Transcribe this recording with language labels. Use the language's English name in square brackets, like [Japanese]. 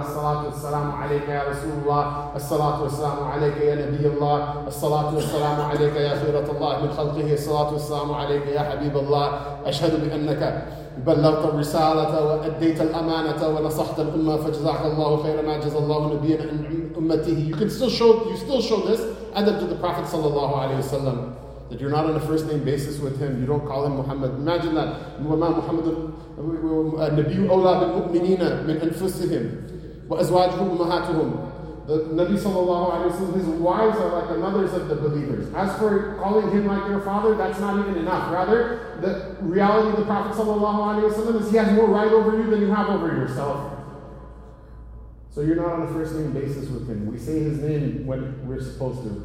[Arabic] As-salatu as-salamu alayka ya Rasulullah, as-salatu as-salamu alayka ya Nabiyullah, as-salatu as-salamu alayka ya Khairatullah min khalqihi, as-salatu as-salamu alayka ya Habiballah, ashhadu bi annaka بلغت الرسالة وأديت الأمانة ونصحت الأمة فجزاك الله خير ما جزى الله نبيا عن أمته. [English] You still show this adab to the Prophet sallallahu alaihi wasallam, that you're not on a first name basis with him, you don't call him Muhammad. Imagine that. [Arabic] وما محمد نبي أولى بالمؤمنين من أنفسهم وأزواجهم أمهاتهم. [English] The Nabi sallallahu alaihi wasallam, his wives are like the mothers of the believers. As for calling him like your father, that's not even enough. Rather, the reality of the Prophet sallallahu alaihi wasallam is he has more right over you than you have over yourself. So you're not on a first name basis with him. We say his name when we're supposed to.